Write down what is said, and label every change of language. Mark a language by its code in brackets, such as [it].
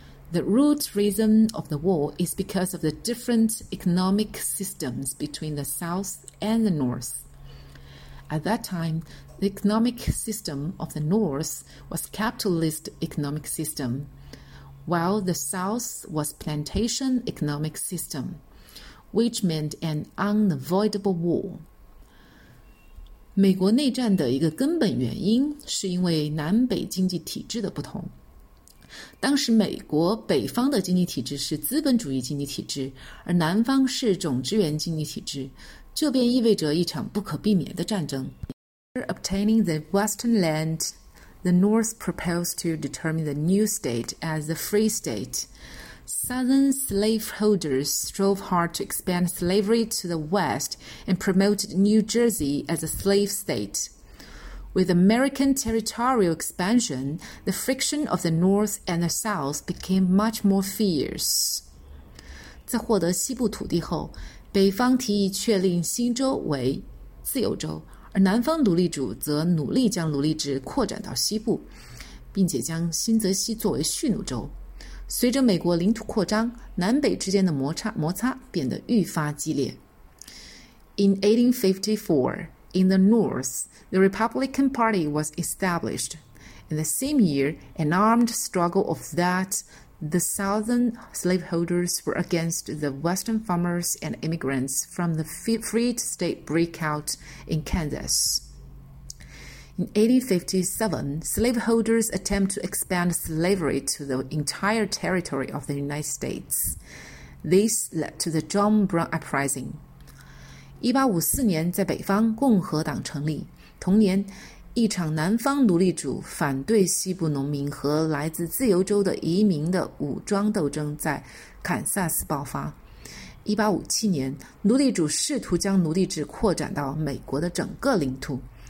[en] The root reason of the war is because of the different economic systems between the South and the North. At that time, the economic system of the North was capitalist economic system, while the South was plantation economic system, which meant an unavoidable war. [zh] 美国内战的一个根本原因是因为南北经济体制的不同。当时美国北方的经济体制是资本主义经济体制，而南方是种植园经济体制，这便意味着一场不可避免的战争。 [en] After obtaining the western land, the North proposed to determine the new state as a free state. Southern slaveholders strove hard to expand slavery to the West and promoted New Jersey as a slave state. With American territorial expansion, the friction of the North and the South became much more fierce. [zh] 在获得西部土地后，北方提议确立新州为自由州，而南方奴隶主则努力将奴隶制扩展到西部，并且将新泽西作为蓄奴州。随着美国领土扩张，南北之间的摩擦变得愈发激烈。 [en] In 1854, in the North, the Republican Party was established. In the same year, an armed struggle of that the Southern slaveholders were against the Western farmers and immigrants from the free state break out in Kansas. In 1857, slaveholders attempt to expand slavery to the entire territory of the United States. This led to the John Brown Uprising. [zh] 1854年在北方共和党成立，同年一场南方奴隶主反对西部农民和来自自由州的移民的武装斗争在堪萨斯爆发。 1857年，奴隶主试图将奴隶制扩展到美国的整个领土。